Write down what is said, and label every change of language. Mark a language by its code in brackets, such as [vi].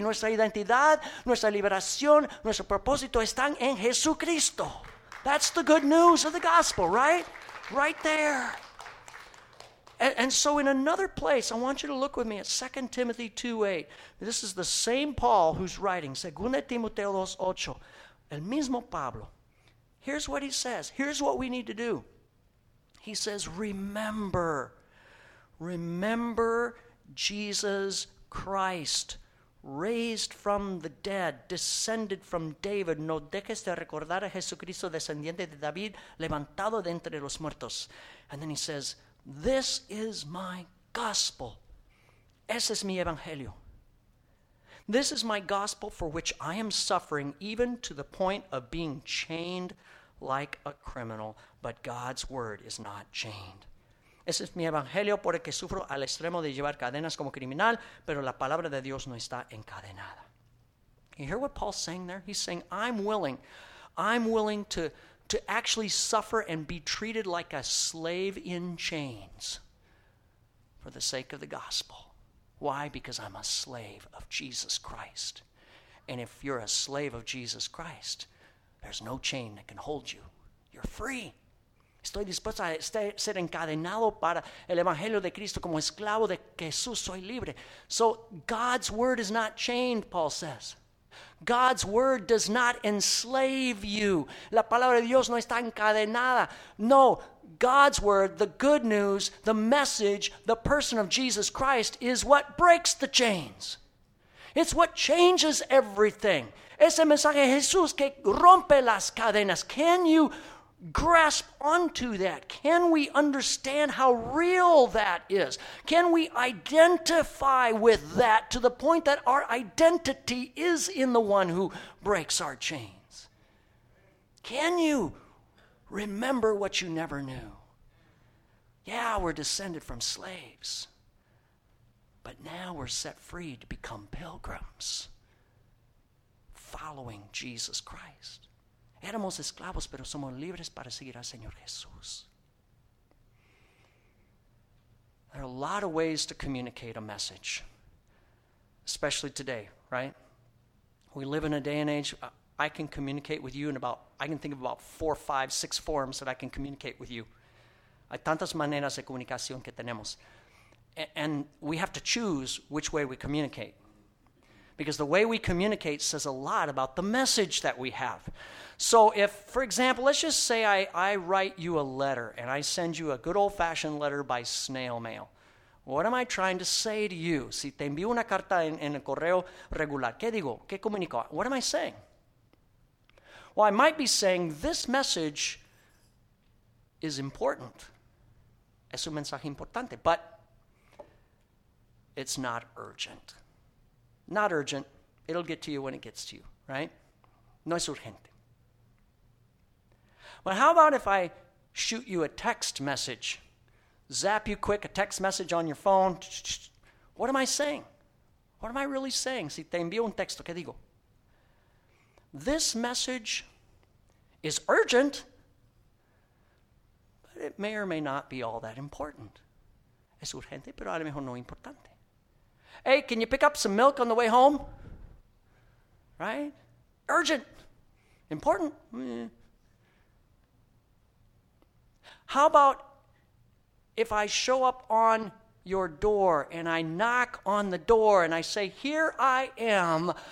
[es] Nuestra identidad, nuestra liberación, nuestro propósito están en Jesucristo. [en] That's the good news of the gospel, right? Right there. And so in another place, I want you to look with me at 2 Timothy 2:8. This is the same Paul who's writing, 2 Timoteo 2:8, [es] el mismo Pablo. [en] Here's what he says. Here's what we need to do. He says, remember Jesus Christ, raised from the dead, descended from David. [es] No dejes de recordar a Jesucristo, descendiente de David, levantado de entre los muertos. [en] And then he says, this is my gospel. [es] Ese es mi evangelio. [en] This is my gospel for which I am suffering, even to the point of being chained like a criminal. But God's word is not chained. [es] Ese es mi evangelio por el que sufro al extremo de llevar cadenas como criminal, pero la palabra de Dios no está encadenada. [en] You hear what Paul's saying there? He's saying, I'm willing to actually suffer and be treated like a slave in chains for the sake of the gospel. Why? Because I'm a slave of Jesus Christ. And if you're a slave of Jesus Christ, there's no chain that can hold you. You're free. [es] Estoy dispuesto a ser encadenado para el evangelio de Cristo como esclavo de Jesús. Soy libre. [en] So God's word is not chained, Paul says. God's word does not enslave you. [es] La palabra de Dios no está encadenada. [en] No, God's word, the good news, the message, the person of Jesus Christ is what breaks the chains. It's what changes everything. [es] Ese mensaje de Jesús que rompe las cadenas. [en] Can you grasp onto that? Can we understand how real that is? Can we identify with that to the point that our identity is in the one who breaks our chains? Can you remember what you never knew? Yeah, we're descended from slaves, but now we're set free to become pilgrims following Jesus Christ. [es] Éramos esclavos, pero somos libres para seguir al Señor Jesús. [en] There are a lot of ways to communicate a message, especially today, right? We live in a day and age, I can communicate with you in about, I can think of about 4, 5, 6 forms that I can communicate with you. [es] Hay tantas maneras de comunicación que tenemos. [en] And we have to choose which way we communicate. Because the way we communicate says a lot about the message that we have. So if, for example, let's just say I write you a letter and I send you a good old-fashioned letter by snail mail. What am I trying to say to you? [es] Si te envío una carta en el correo regular, ¿qué digo? ¿Qué comunico? [en] What am I saying? Well, I might be saying this message is important. [es] Es un mensaje importante, [en] but it's not urgent. Not urgent. It'll get to you when it gets to you, right? [es] No es urgente. [en] But how about if I shoot you a text message? Zap you quick, a text message on your phone. What am I saying? What am I really saying? [es] Si te envío un texto, ¿qué digo? [en] This message is urgent, but it may or may not be all that important. [es] Es urgente, pero a lo mejor no importante. [en] Hey, can you pick up some milk on the way home? Right? Urgent. Important. How about if I show up on your door and I knock on the door and I say, here I am.